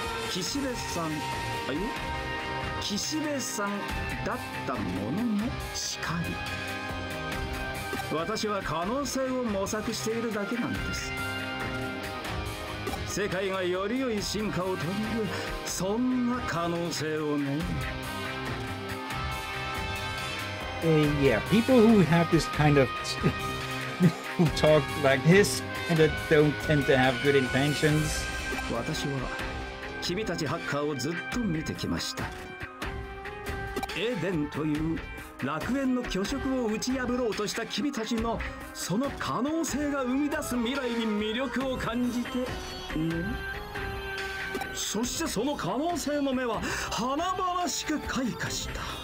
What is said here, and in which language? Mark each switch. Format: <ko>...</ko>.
<ja>騎士連さん、あ、え、騎士連さんだったものもしかり、私は可能性を模索しているだけなんです。世界がより良い進化を遂げる、そんな可能性をね。</ja> <en>Yeah, people who have this kind of who talk like this kind of don't tend to have good intentions.</en> <ja>私は君たちハッカーをずっと見てきました。エデンという楽園の巨食を打ち破ろうとした君たちのその可能性が生み出す未来に魅力を感じて、ね、そしてその可能性の目は華々しく開花した。</ja>